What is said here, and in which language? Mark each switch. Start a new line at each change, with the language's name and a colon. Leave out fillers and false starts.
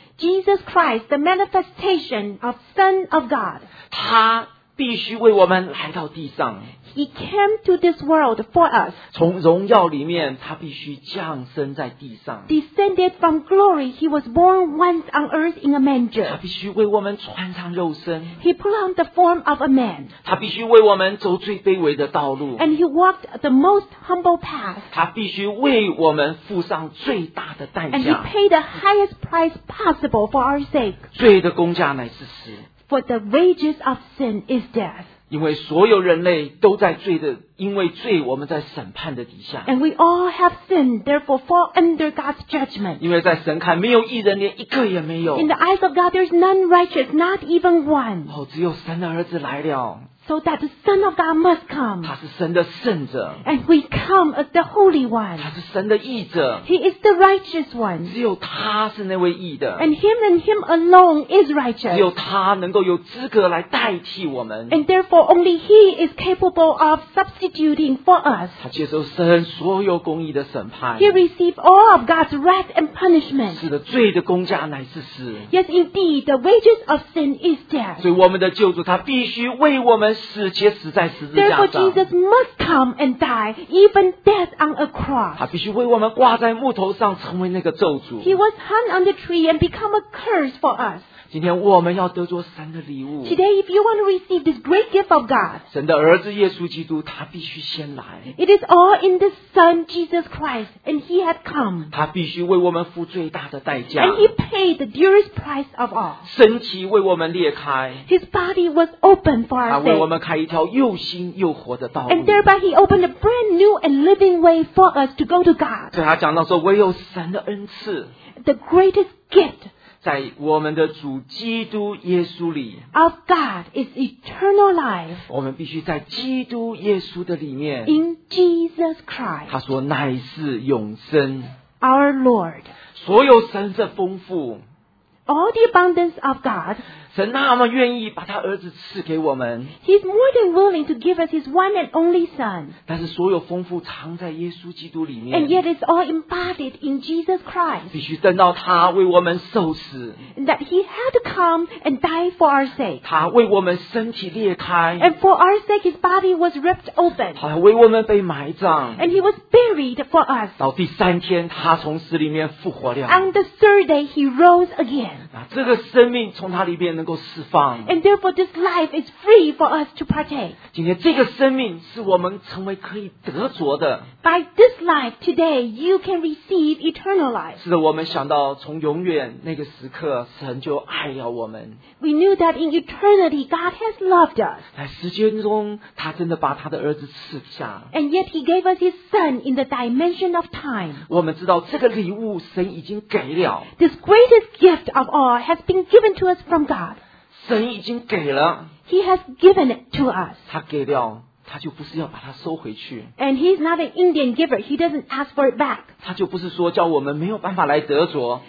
English: Jesus Christ, the manifestation of Son of God.
Chinese: 他必须为我们来到地上。
English: He came to this world for us.
Chinese: 从荣耀里面他必须降生在地上。
English: Descended from glory, he was born once on earth in a manger.
Chinese: 他必须为我们穿上肉身。
English: He put on the form of a man.
Chinese: 他必须为我们走最卑微的道路。
English: And he walked the most humble path.
Chinese: 他必须为我们付上最大的代价。
English: And he paid the highest price possible for our sake.
Chinese: 罪的工价乃是死。
English: For the wages of sin is death.
Chinese: 因为所有人类都在罪的，因为罪我们在审判的底下。
English: And we all have sinned, therefore fall under God's judgment.
Chinese: 因为在神看没有一人，连一个也没有。
English: In the eyes of God, there's none righteous, not even one.
Chinese: 哦，只有神的儿子来了。
English: So that the Son of God must come.
Chinese: 他是神的圣者。
English: And we come as the Holy One.
Chinese: 他是神的义者。
English: He is the righteous one.
Chinese: 只有他是那位义的。
English: And him alone is righteous.
Chinese: 只有他能够有资格来代替我们。
English: And therefore only he is capable of substituting for us.
Chinese: 他接受神所有公义的审判。
English: He received all of God's wrath and punishment.
Chinese: 是的，罪的工价乃是死。
English: Yes, indeed, the wages of sin is death.
Chinese: 所以我们的救主他必须为我们死，且死在十字架上。
English: Therefore, Jesus must come and die, even death on a cross.
Chinese: 他必须为我们挂在木头上，成为那个咒诅。
English: He was hung on the tree and become a curse for us.
Chinese: 今天我们要得着神的礼物。
English: Today, if you want to receive this great gift of God,
Chinese: 神的儿子耶稣基督，他必须先来。
English: It is all in the Son, Jesus Christ, and He had come.
Chinese: 他必须为我们付最大的代价。
English: And He paid the dearest price of all.
Chinese: 身体为我们裂开。
English: His body was open for our sake.
Chinese: 我们开一条又新又活的道路。
English: And thereby he opened a brand new and living way for us to go to God.
Chinese: 对他讲到说，唯有神的恩赐。
English: The greatest gift.
Chinese: 在我们的主基督耶稣里。
English: Of God is eternal life.
Chinese: 我们必须在基督耶稣的里面。
English: In Jesus Christ.
Chinese: 他说乃是永生。
English: Our Lord.
Chinese: 所有神的丰富。
English: All the abundance of God.
Chinese: 神那么愿意把他儿子赐给我们。
English: He's more than willing to give us his one and only son.
Chinese: 但是所有丰富藏在耶稣基督里面。
English: And yet it's all embodied in Jesus Christ.
Chinese: 必须等到他为我们受死。
English: That he had to come and die for our sake.
Chinese: 他为我们身体裂开。
English: And for our sake his body was ripped open.
Chinese: 他为我们被埋葬。
English: And he was buried for us.
Chinese: 到第三天他从死里面复活了。
English: On the third day he rose again.
Chinese: 这个生命从他里面能够释放。
English: And therefore this life is free for us to partake.
Chinese: 今天这个生命是我们成为可以得着的。
English: By this life today, you can receive eternal life.
Chinese: 是的，我们想到从永远那个时刻，神就爱了我们。
English: We knew that in eternity, God has loved us.
Chinese: 在时间中，他真的把他的儿子赐下。
English: And yet he gave us his son in the dimension of time.
Chinese: 我们知道这个礼物神已经给了。
English: This greatest gift of all has been given to us from God.
Chinese: 神已经给了。
English: He has given it to us.
Chinese: 他给了他就不是要把它收回去。
English: And he's not an Indian giver. He doesn't ask for it back.
Chinese: 他就不是说叫我们没有办法来得着。